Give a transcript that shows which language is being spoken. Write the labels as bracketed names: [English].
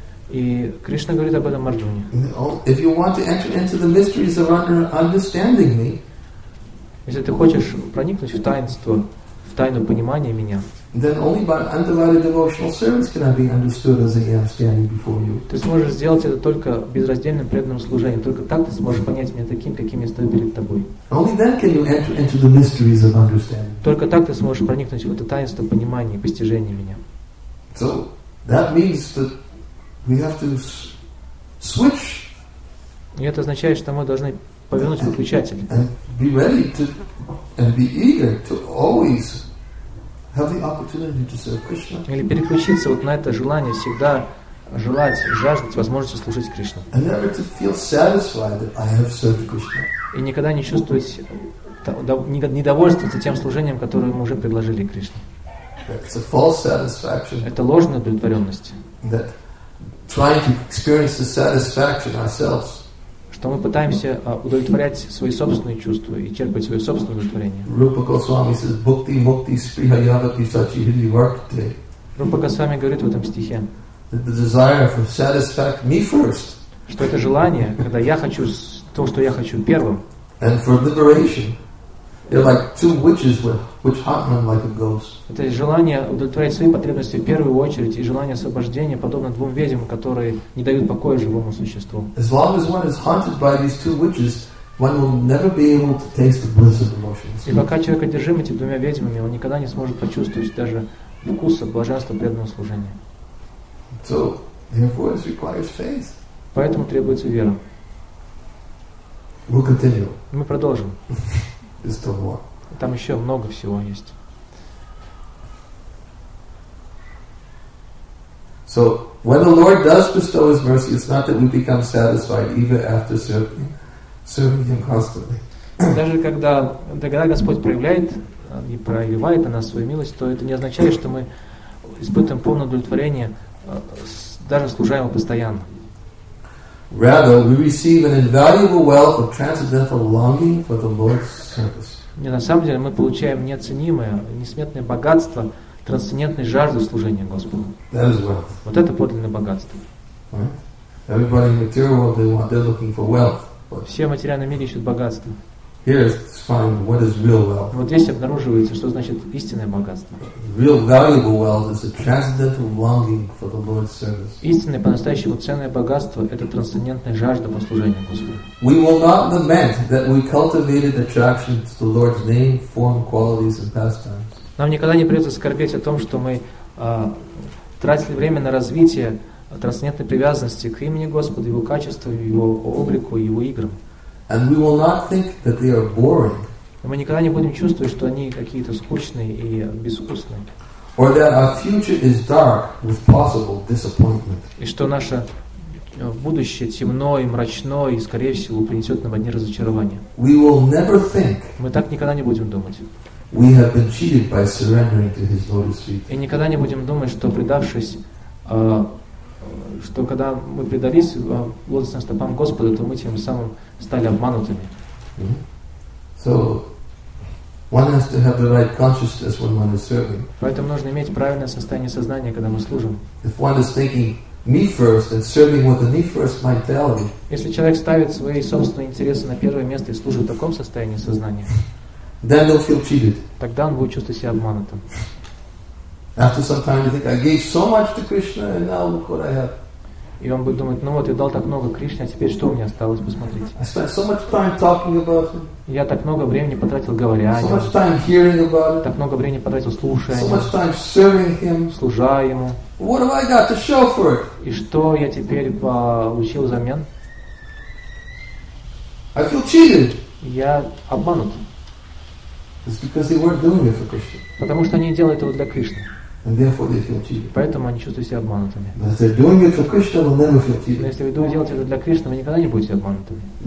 [Russian] И Кришна говорит об этом Арджуне. [English] If you want to enter into the mysteries of understanding me, [Russian] если ты хочешь проникнуть в таинство, в тайну понимания меня, [English] then only by undivided devotional service can I be understood as I am standing before you. [Russian] Ты сможешь сделать это только безраздельным преданным служением, только так ты сможешь понять меня таким, каким я стою перед тобой. [English] Only then can you enter into the mysteries of understanding. [Russian] Только так ты сможешь проникнуть в это таинство понимания и постижения меня. [English] So that means that we have to switch. [Russian] И это означает, что мы должны повернуть выключатель. [English] And be ready to, and be eager to always have the opportunity to serve Krishna. [Russian] Или переключиться вот на это желание всегда желать, жаждать возможности служить Кришне. [English] And never to feel satisfied that I have served Krishna. [Russian] И никогда не чувствовать недовольствоваться тем служением, которое мы уже предложили Кришне. [English] It's a false satisfaction. [Russian] Это ложная удовлетворенность. [English] That trying to experience the satisfaction ourselves. [Russian] Что мы пытаемся удовлетворять свои собственные чувства и черпать свое собственное удовлетворение. [English] Rupa Goswami says, [Sanskrit] "Bhukti mukti sprihayavati sachihiri vartate." [Russian] Rupa Goswami говорит в этом стихе. [English] That the desire for satisfaction me first. Что это желание, когда я хочу то, что я хочу первым. And for liberation. They're like two witches which hunt them like a ghost. [Russian] Это желание удовлетворять свои потребности в первую очередь и желание освобождения подобно двум ведьмам, которые не дают покоя живому существу. [English] As long as one is haunted by these two witches, one will never be able to taste the bliss of emotions. [Russian] И пока человек одержим этими двумя ведьмами, он никогда не сможет почувствовать даже вкуса блаженства преданного служения. [English] So, therefore, it requires faith. [Russian] Поэтому требуется вера. [English] We'll continue. [Russian] Мы продолжим. [English] Is still more. [Russian] Там еще много всего есть. [English] So when the Lord does bestow His mercy, it's not that we become satisfied even after serving Him constantly. [Russian] Даже когда Господь проявляет и проливает на нас свою милость, то это не означает, что мы испытываем полное удовлетворение, даже служа Ему постоянно. [English] Rather, we receive an invaluable wealth of transcendental longing for the Lord's service. [Russian] Не, на самом деле мы получаем неоценимое, несметное богатство трансцендентной жажды служения Господу. [English] That is wealth. [Russian] Вот это подлинное богатство. [English] Right? Everybody in the material world they're looking for wealth. [Russian] Все материальные миры ищут богатство. [English] Here is find what is real wealth. [Russian] Вот здесь обнаруживается, что значит истинное богатство. [English] Real valuable wealth is a transcendental longing for the Lord's service. [Russian] Истинное по-настоящему ценное богатство – это трансцендентная жажда по служению Господу. [English] We will not lament that we cultivated attraction to the Lord's name, form, qualities, and pastimes. [Russian] Нам никогда не придется скорбеть о том, что мы тратили время на развитие трансцендентной привязанности к имени Господа, Его качеству, Его облику, Его играм. [English] And we will not think that they are boring. [Russian] И мы никогда не будем чувствовать, что они какие-то скучные и безвкусные. [English] Or that our future is dark with possible disappointment. [Russian] И что наше будущее темно и мрачно, и, скорее всего, принесет нам одни разочарования. [English] We will never think. [Russian] Мы так никогда не будем думать. [English] We have been cheated by surrendering to His lotus feet. [Russian] И никогда не будем думать, что предавшись, что когда мы предались лотосным стопам Господа, то мы тем самым стали обманутыми. [English] So one has to have the right consciousness when one is serving. [Russian] Поэтому нужно иметь правильное состояние сознания, когда мы служим. [English] If one is thinking me first and serving with a me first mentality. [Russian] Если человек ставит свои собственные интересы на первое место и служит в таком состоянии сознания. [English] Then they'll feel cheated. [Russian] Тогда он будет чувствовать себя обманутым. [English] After some time, you think I gave so much to Krishna, and now look what I have. [Russian] И он будет думать: ну вот я дал так много Кришне, а теперь что у меня осталось, посмотрите. [English] I spent so much time talking about him. [Russian] Я так много времени потратил, говоря о нем. [English] So much time hearing about it. [Russian] Так много времени потратил, слушая. [English] So much time serving him. [Russian] Служа ему. [English] What have I got to show for it? [Russian] И что я теперь получил взамен? [English] I feel cheated. [Russian] Я обманут. [English] It's because they weren't doing it for Krishna. [Russian] Потому что они делают этого для Кришны. [English] And therefore they feel cheated. [Russian] Поэтому они чувствуют себя обманутыми. [English] But if they're doing it for Krishna, they'll never feel cheated. [Russian] Но если вы делаете это для Кришны, вы никогда не будете обманутыми.